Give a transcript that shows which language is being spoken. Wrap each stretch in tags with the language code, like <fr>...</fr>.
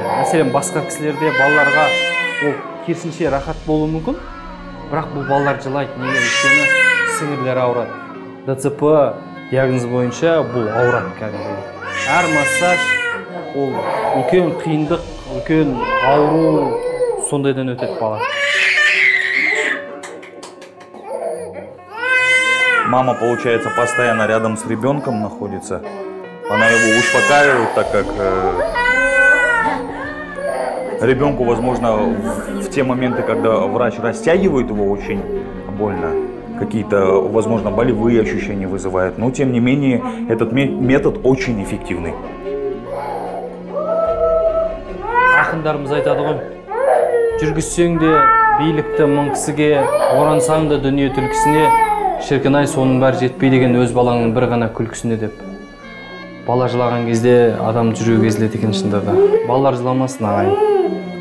<kk>Мәселен, басқа кісілерде балаларға ол керісінше рахат болуы мүмкін, бірақ бұл балалар жылайды. Неге? Өйткені сіңірлері ауырады. ДЦП диагнозы бойынша бұл ауырады кәдімгідей. Әр массаж ол үлкен қиындық, үлкен ауру сондайдан өтеді бала.</kk> <ru>Мама, получается, постоянно рядом с ребенком находится. Она его успокаивает, так как ребенку, возможно, в те моменты, когда врач растягивает его очень больно, какие-то, возможно, болевые ощущения вызывает. Но, тем не менее, этот метод очень эффективный.</ru> <kk>Ахындарымыз айтады ғой, жүргізсең де билікті мың кісіге, орансаң да дүние түлкісіне, шіркін-ай соның бәрі жетпей деген өз балаңның бір ғана күлкісіне деп. Бала жылаған кезде адам жүрегі езіледі екен шынында да. Балалар жыламасын, ағай.</kk>